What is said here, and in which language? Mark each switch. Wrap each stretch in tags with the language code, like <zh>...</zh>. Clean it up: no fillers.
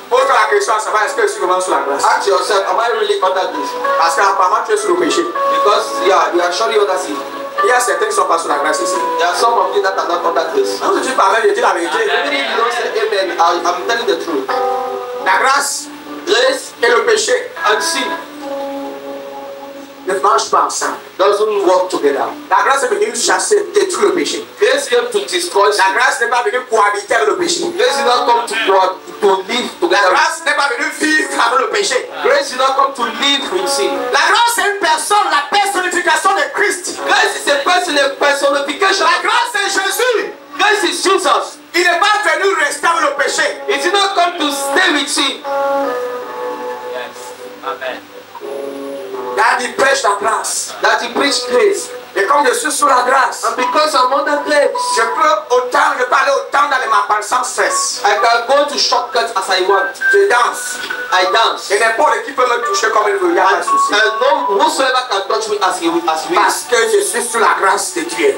<fr>Pose la question à savoir, est-ce que je suis vraiment sous la grâce?</fr> <en>Ask yourself, am I really under this?</en> <fr>Parce qu'apparemment tu es sous le péché.</fr> <en>Because you are surely under sin.</en> <fr>Il y a certains qui sont pas sous la grâce ici.</fr> <en>There are some of you that are not under grace.</en> <fr>Non, tu parles, je dis la vérité.</fr> <en>Even if you don't say amen, I'm telling the truth.</en> <fr>La grâce,</fr> <en>grace,</en> <fr>et le péché,</fr> <en>and sin,</en> <fr>ne marchent pas ensemble.</fr> <en>Doesn't work together.</en> <fr>La grâce est venue chasser, détruire le péché.</fr> <en>Grace came to destroy.</en> <fr>La grâce n'est pas venue cohabiter avec le péché.</fr> <en>Grace did not come to live together.</en> <fr>La grâce n'est pas venue vivre avec le péché.</fr> <en>Grace did not come to live with sin.</en> <fr>La grâce est une personne, la personnification de Christ.</fr> <en>Grace is a person, a personification.</en> <fr>La grâce est Jésus.</fr> <en>Grace is Jesus.</en> <fr>Il n'est pas venu rester avec le péché.</fr> <en>He did not come to stay with sin. Yes. Amen. That he preached la grâce. That he preached grace.</en> <fr>Et comme je suis sous la grâce,</fr> <en>and because I'm under grace,</en> <fr>je peux autant, je peux aller autant dans les marches sans cesse.</fr> <en>I can go to shortcuts as I want.</en> <fr>Je danse.</fr> <en>I dance.</en> <fr>Et n'importe qui peut me toucher comme il veut. Il y a pas de souci.</fr> <en>And no whosoever can touch me as he will.</en> <fr>Parce que je suis sous la grâce de Dieu.</fr>